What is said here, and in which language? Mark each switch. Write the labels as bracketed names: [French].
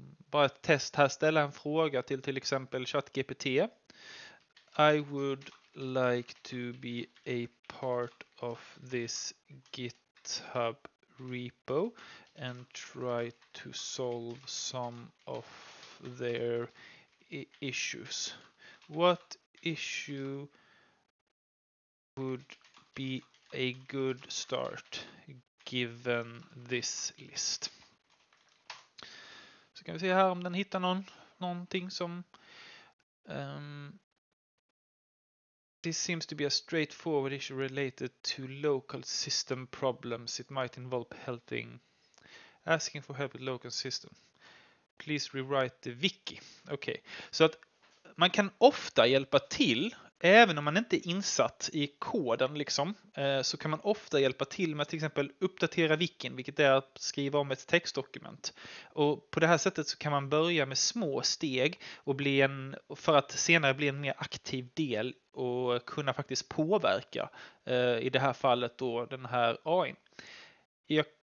[Swedish] Bara ett test här, ställa en fråga till exempel ChatGPT. [English] I would like to be a part of this GitHub repo and try to solve some of their issues. What issue would be a good start given this list? [Swedish] Så kan vi se här om den hittar någonting som [English] This seems to be a straightforward issue related to local system problems. It might involve helping, asking for help with local system. Please rewrite the wiki. [Swedish] Okej. Så att man kan ofta hjälpa till, även om man inte är insatt i koden liksom, så kan man ofta hjälpa till med att till exempel uppdatera wikin, vilket är att skriva om ett textdokument. Och på det här sättet så kan man börja med små steg och bli en, för att senare bli en mer aktiv del och kunna faktiskt påverka, i det här fallet då den här AI. Jag